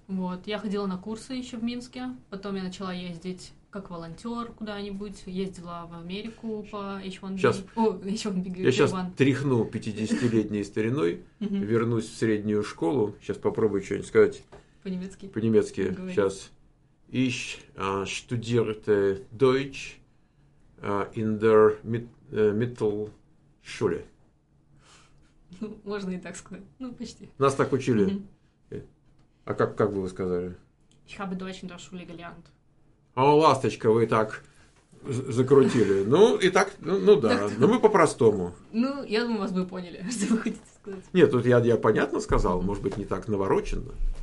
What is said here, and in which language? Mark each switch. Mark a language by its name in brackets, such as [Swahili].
[Russian] Вот, я ходила на курсы еще в Минске. Потом я начала ездить как волонтер куда-нибудь. Ездила в Америку по H1B. Сейчас... H1B. Сейчас тряхну 50-летней стариной, вернусь в среднюю школу. Сейчас попробую что-нибудь сказать. По-немецки. По-немецки. Говорит. Сейчас. [German] Ich studierte Deutsch in der Mittelschule. [Russian] Ну, можно и так сказать. Ну, почти. Нас так учили. А как бы вы сказали? [German] Ich habe Deutsch in der Schule gelernt. [Russian] О, ласточка, вы так закрутили. Ну, и так, ну да. Но мы по-простому. Ну, я думаю, вас бы поняли, что вы хотите сказать. Нет, тут я понятно сказал. Может быть, не так навороченно.